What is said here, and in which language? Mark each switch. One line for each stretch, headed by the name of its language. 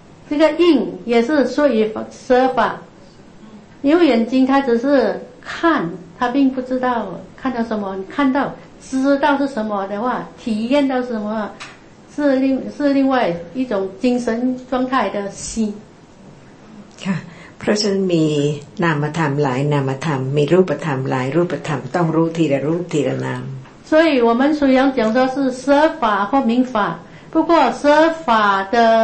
Chinese: 这个硬也是属于舍法，因为眼睛它只是看，它并不知道看到什么，看到知道是什么的话，体验到什么，是另外一种精神状态的心。
Thai: ค่ะ，เพราะฉะนั้นมีนามธรรมหลายนามธรรมมีรูปธรรมหลายรูปธรรมต้องรู้ทีละรูปทีละนาม。
Chinese: 所以我们虽然讲说是舍法或明法，不过舍法的。